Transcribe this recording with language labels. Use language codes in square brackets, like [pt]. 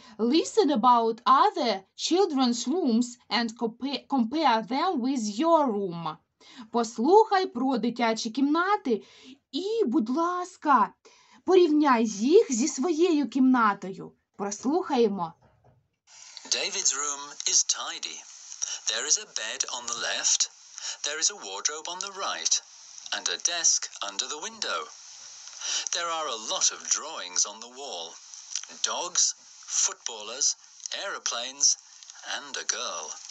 [en] Listen about other children's rooms and compare them with your room. [uk] Послухай про дитячі кімнати і, будь ласка, порівняй їх зі своєю кімнатою. Прослухаємо. [en] David's room is tidy. There is a bed on the left, there is a wardrobe on the right, and a desk under the window. There are a lot of drawings on the wall. Dogs, footballers, aeroplanes, and a girl.